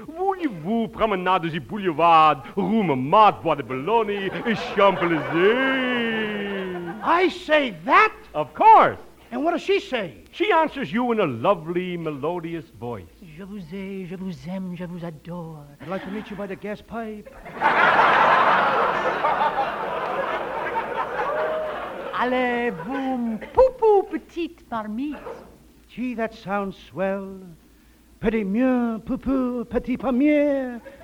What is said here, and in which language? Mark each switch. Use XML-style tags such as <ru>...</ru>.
<fr>Voulez-vous promenade du boulevard, rue Montmartre, Bois de Boulogne, et Champs-Élysées?"</fr> <en>I say that? Of course. And what does she say? She answers you in a lovely, melodious voice.</en> <fr>Je vous ai, je vous aime, je vous adore.</fr> <en>I'd like to meet you by the gas pipe.</en> <fr>Allez, boum, poupou, petite marmite.</fr> <en>Gee, that sounds swell.</en> <fr>Petit mieux, poupou, petit premier.</fr>